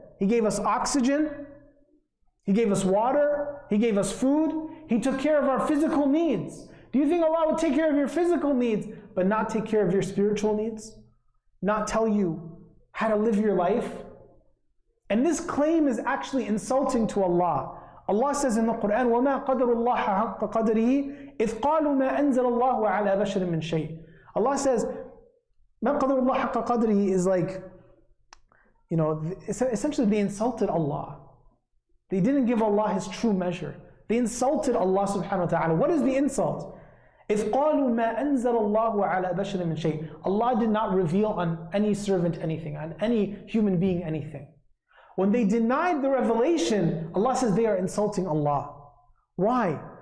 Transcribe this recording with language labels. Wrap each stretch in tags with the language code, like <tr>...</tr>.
<en>He gave us oxygen. He gave us water. He gave us food. He took care of our physical needs. Do you think Allah would take care of your physical needs, but not take care of your spiritual needs? Not tell you how to live your life? And this claim is actually insulting to Allah.</en> <ar>Allah says in the Quran, وَمَا قَدَرُ اللَّهَ حَقَّ قَدْرِهِ إِذْ قَالُوا مَا أَنزَلَ اللَّهُ عَلَى بَشَرٍ مِّن شَيْءٍ</ar> <en>Allah says,</en> <ar>مَا قَدَرُ اللَّهَ حَقَّ قَدْرِهِ</ar> <en>is like, you know, essentially they insulted Allah. They didn't give Allah His true measure. They insulted Allah subhanahu wa ta'ala. What is the insult?</en> <ar>إِذْ قَالُوا مَا أَنزَلَ اللَّهُ عَلَى بَشَرٍ مِّن شَيْءٍ</ar> <en>Allah did not reveal on any servant anything, on any human being anything. When they denied the revelation, Allah says they are insulting Allah. Why?</en>